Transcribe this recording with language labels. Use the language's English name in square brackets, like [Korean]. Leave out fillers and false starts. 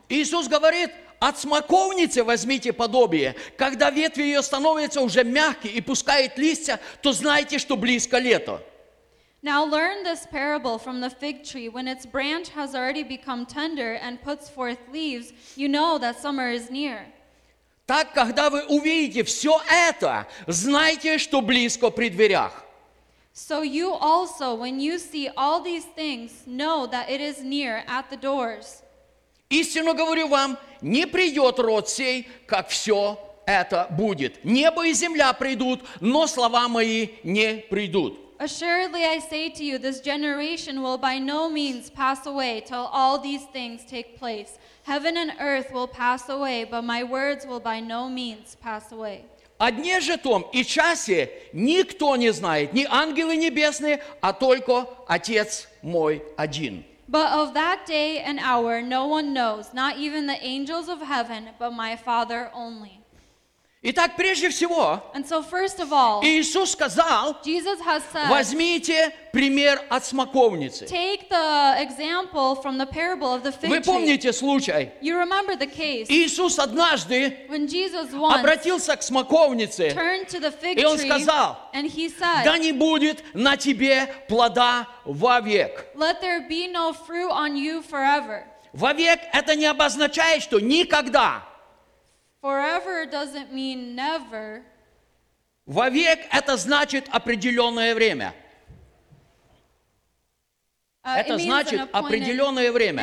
[Russian] Иисус говорит, От смоковницы возьмите подобие. Когда ветви ее становятся уже мягкие и пускают листья, то знайте, что близко лето. [English] Now learn this parable from the fig tree. When its branch has already become tender and puts forth leaves, you know that summer is near. [Russian] Так, когда вы увидите все это, знайте, что близко при дверях. [English] So you also, when you see all these things, know that it is near at the doors. [Russian] Истинно говорю вам, не придет род сей, как все это будет. Небо и земля придут, но слова мои не придут. [English] Assuredly, I say to you, this generation will by no means pass away till all these things take place. Heaven and earth will pass away, but my words will by no means pass away. [Russian] О дне же том и часе никто не знает, ни ангелы небесные, а только Отец мой один. [English] But of that day and hour no one knows, not even the angels of heaven, but my Father only. [Russian] Итак, прежде всего, Иисус сказал, возьмите пример от смоковницы. [English] Take the example from the parable of the fig tree. [Russian] Вы помните случай? [English] You remember the case. [Russian] Иисус однажды обратился к смоковнице, и Он сказал, да не будет на тебе плода вовек. [English] Let there be no fruit on you forever. [Russian] Вовек – это не обозначает, что никогда. [English] Forever doesn't mean never. [Russian] Вовек – это значит определенное время. Это значит определенное время.